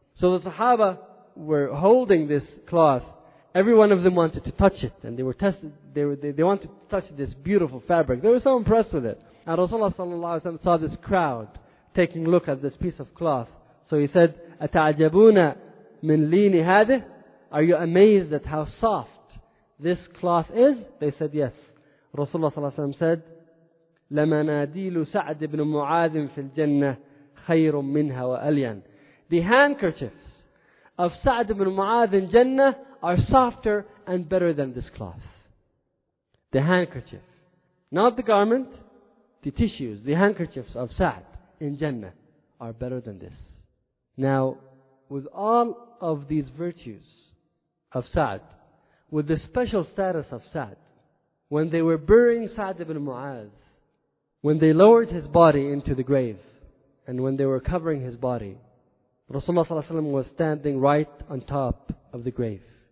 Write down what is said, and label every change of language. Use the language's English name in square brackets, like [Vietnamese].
[English] So the Sahaba were holding this cloth. Every one of them wanted to touch it, and they wanted to touch this beautiful fabric. They were so impressed with it. And Rasulullah sallallahu alaihi wasallam saw this crowd taking a look at this piece of cloth. [Arabic] So he said, "Ata'jabuna min lini hadih?" [English] Are you amazed at how soft this cloth is? They said, "Yes." Rasulullah sallallahu alaihi wasallam said, [Arabic] "لَمَنَادِيلُ سَعْدِ بْنُ مُعَاذٍ فِي الْجَنَّةِ خَيْرٌ مِنْهَا وَأَلْيَنَ." [English] The handkerchiefs of Sa'd ibn Mu'adh in Jannah are softer and better than this cloth. The handkerchief, not the garment, the tissues, the handkerchiefs of Sa'd in Jannah are better than this. Now, with all of these virtues of Sa'd, with the special status of Sa'd, when they were burying Sa'd ibn Mu'adh, when they lowered his body into the grave, and when they were covering his body, Rasulullah ﷺ was standing right on top of the grave.